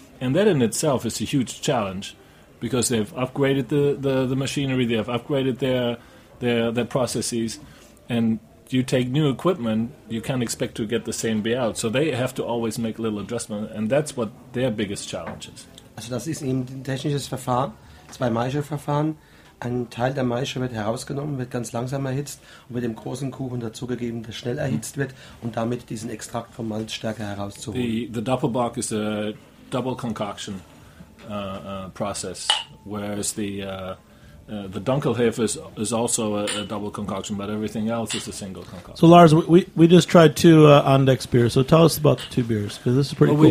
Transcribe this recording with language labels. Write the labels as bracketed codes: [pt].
[en] And that in itself is a huge challenge, because they've upgraded the machinery, they have upgraded their processes, and you take new equipment, you can't expect to get the same beer out. So they have to always make little adjustments, and that's what their biggest challenge is. [de] Also das ist eben ein technisches Verfahren, zwei Maischeverfahren. Ein Teil der Maische wird herausgenommen, wird ganz langsam erhitzt und mit dem großen Kuchen dazugegeben, der schnell erhitzt wird, um damit diesen Extrakt vom Malz stärker herauszuholen. [en] The Doppelbock is a double concoction process, whereas the Dunkelhefe is also a double concoction, but everything else is a single concoction. So Lars, we just tried two Andex beers. So tell us about the two beers, because this is pretty cool.